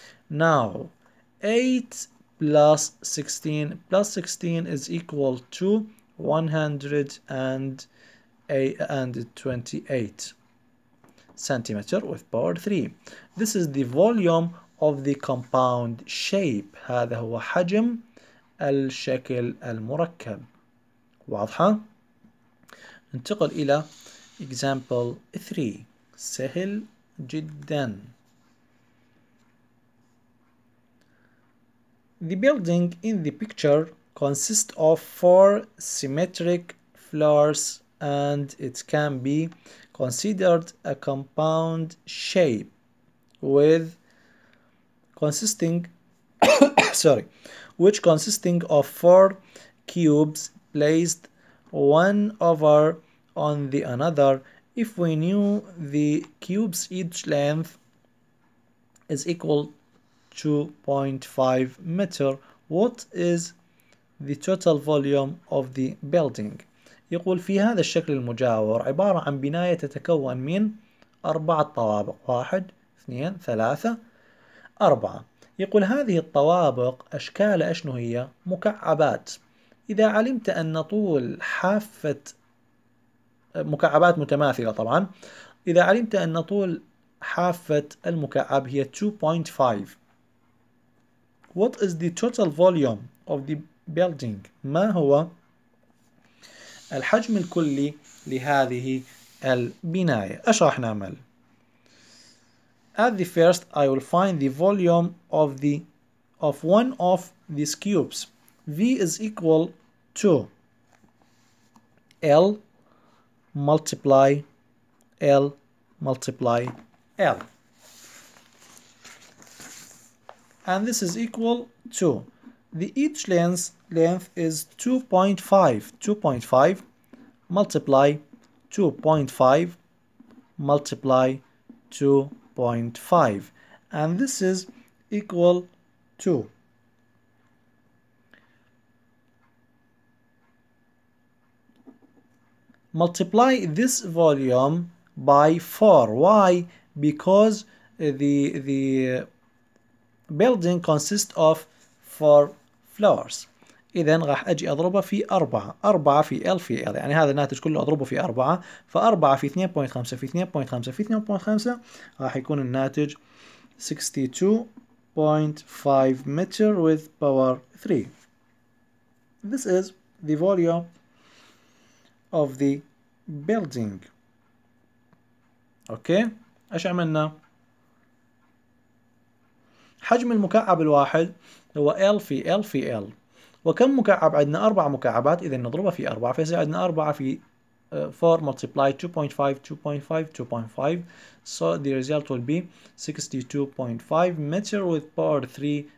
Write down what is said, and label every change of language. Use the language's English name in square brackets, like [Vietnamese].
[English] Now 8 plus 16 plus 16 is equal to 128 centimeter with power 3. This is the volume of the compound shape. [Arabic] هذا هو حجم الشكل المركب. واضحة؟ ننتقل إلى example 3. سهل جدا. [English] The building in the picture consist of four symmetric flowers and it can be considered a compound shape with consisting sorry, which consisting of four cubes placed one over on the another. If we knew the cubes each length is equal 2.5 meter, what is the total volume of the building؟ [Arabic] يقول في هذا الشكل المجاور عبارة عن بناية تتكون من 4 طوابق، 1، 2، 3، 4. يقول هذه الطوابق أشكالها أشنو هي؟ مكعبات. إذا علمت أن طول حافة مكعبات متماثلة طبعا، إذا علمت أن طول حافة المكعب هي 2.5، [English] What is the total volume of the building؟ [Arabic] ما هو الحجم الكلي لهذه البناية؟ إيش راح نعمل؟ [English] At the first I will find the volume of the of one of these cubes. V is equal to L multiply L multiply L. And this is equal to the each length is 2.5 multiply 2.5 multiply 2.5, and this is equal to 2. Multiply this volume by 4. Why? Because the building consists of 4 floors. [Arabic] إذن راح أجي أضربه في 4، 4 في L في L، يعني هذا الناتج كله أضربه في 4، فأربعة في 2.5 في 2.5 في 2.5 راح يكون الناتج 62.5 متر [English] with power 3. This is the volume of the building. [Arabic] أوكي؟ إيش عملنا؟ حجم المكعب الواحد هو L في L في L. وكم مكعب عندنا؟ 4 مكعبات، إذا نضربها في 4 فيصير عندنا 4 في 4 [English] multiply 2.5 2.5 2.5, so the result will be 62.5 meter with power 3.